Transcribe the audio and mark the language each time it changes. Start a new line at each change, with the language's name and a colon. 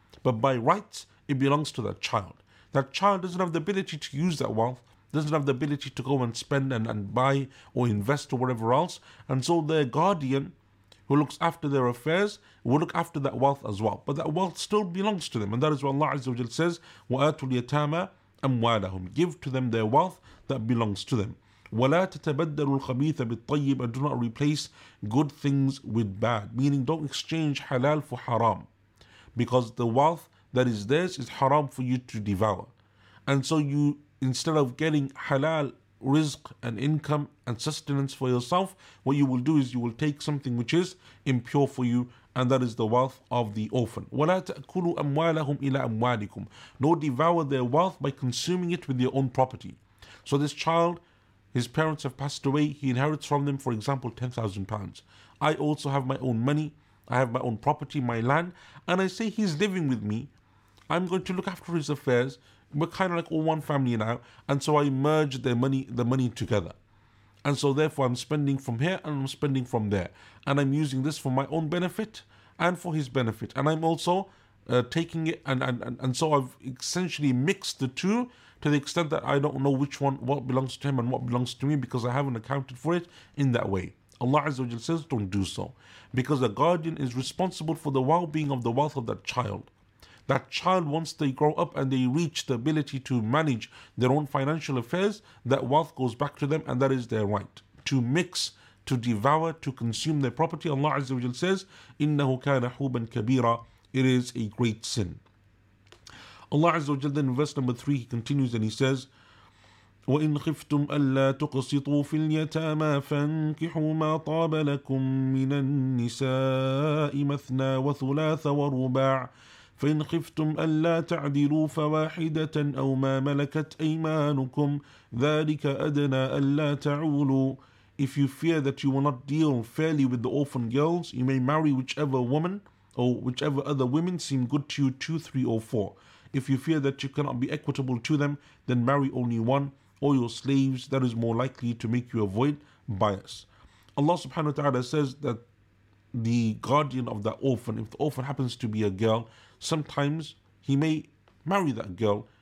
English: But by rights, it belongs to that child. That child doesn't have the ability to use that wealth, doesn't have the ability to go and spend and buy or invest or whatever else. And so their guardian, who looks after their affairs, will look after that wealth as well. But that wealth still belongs to them. And that is what Allah Azza wa Jalla says,
Arabic: وَآتُوا الْيَتَامَى أموالهم.
English: Give to them their wealth that belongs to them.
Arabic: ولا تتبدل الخبيث بالطيب.
English: And do not replace good things with bad. Meaning don't exchange halal for haram. Because the wealth that is theirs is haram for you to devour. And so you, instead of getting halal rizq and income and sustenance for yourself, what you will do is you will take something which is impure for you, and that is the wealth of the orphan.
Arabic: ولا تأكلوا أموالهم إلى أموالكم.
English: Nor devour their wealth by consuming it with your own property. So this child, his parents have passed away, he inherits from them, for example, £10,000. I also have my own money, I have my own property, my land, and I say he's living with me, I'm going to look after his affairs. We're kind of like all one family now, and so I merge the money together. And so therefore I'm spending from here and I'm spending from there. And I'm using this for my own benefit and for his benefit. And I'm also taking it, and so I've essentially mixed the two to the extent that I don't know which one, what belongs to him and what belongs to me, because I haven't accounted for it in that way. Allah Azza wa Jalla says, don't do so. Because a guardian is responsible for the well-being of the wealth of that child. That child, once they grow up and they reach the ability to manage their own financial affairs, that wealth goes back to them, and that is their right. To mix, to devour, to consume their property, Allah Azza wa Jalla says,
Arabic: إِنَّهُ كَانَ حُوبًا كَبِيرًا.
English: It is a great sin. Allah Azza wa Jalla, in verse number 3, he continues and he says,
Arabic: وَإِنْ خِفْتُمْ أَلَّا تُقْسِطُوا فِي الْيَتَامَى فَانْكِحُوا مَا طَابَ لَكُمْ مِنَ النِّسَاءِ مَثْنَى وَثُلَاثَ وَرُبَاعَ فَإِنْ خِفْتُمْ أَلَّا تَعْدِلُوا فَوَاحِدَةً أَوْ مَا مَلَكَتْ أَيْمَانُكُمْ ذَلِكَ أَدْنَى أَلَّا تَعُولُوا.
English: If you fear that you will not deal fairly with the orphan girls, you may marry whichever woman or whichever other women seem good to you, 2, 3, or 4. If you fear that you cannot be equitable to them, then marry only one or your slaves. That is more likely to make you avoid bias. Allah subhanahu wa ta'ala says that the guardian of that orphan, if the orphan happens to be a girl, sometimes he may marry that girl.